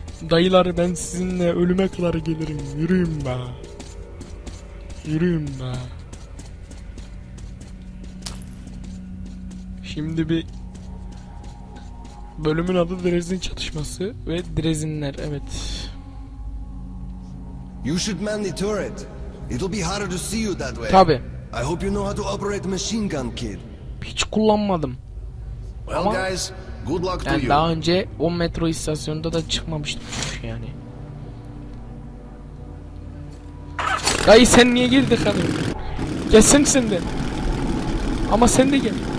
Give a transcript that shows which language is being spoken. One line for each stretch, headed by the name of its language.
Turkish: Dayılar, ben sizinle ölüme kadar gelirim. Yürüyün be. Şimdi bir... Bölümün adı Drezin Çatışması ve Drezinler, evet.
English: You should man the turret. It'll be harder to see you that way.
Turkish: Tabii.
English: I hope you know how to operate machine gun, kid.
Turkish: Hiç kullanmadım.
English: Well,
Turkish: ama
English: guys, good luck to
Turkish: yani
English: you.
Turkish: Daha önce 10 metro istasyonunda da çıkmamıştım yani. Dayı, sen niye girdin hani? Gelsin şimdi. Ama sen de gel.